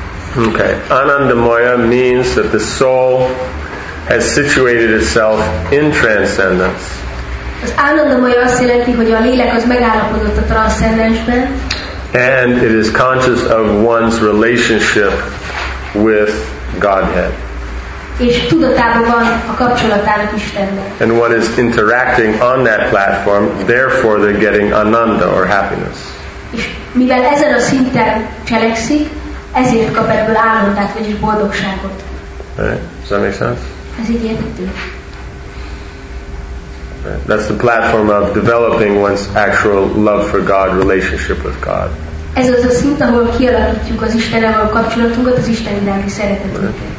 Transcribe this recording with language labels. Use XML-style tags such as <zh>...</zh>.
<en>Okay, Anandamaya means that the soul has situated itself in transcendence.</en> <hu>Az Anandamaya azt jelenti, hogy a lélek az megállapodott a transzcendensben.</hu> <en>And it is conscious of one's relationship with Godhead.</en> <hu>És tudatában van a kapcsolatának Istennel.</hu> <en>And one is interacting on that platform, therefore they're getting ananda or happiness.</en> <hu>És mivel ezen a szinten cselekszik, ezért kap ebből állandát, vagyis boldogságot.</hu> <en>Does that make sense?</en> <hu>Ez így érthető.</hu> <en>That's the platform of developing one's actual love for God, relationship with God.</en> <hu>Ez az a szint, ahol kialakítjuk az Istennel való kapcsolatunkat, az Isten iránti szeretetünket.</hu>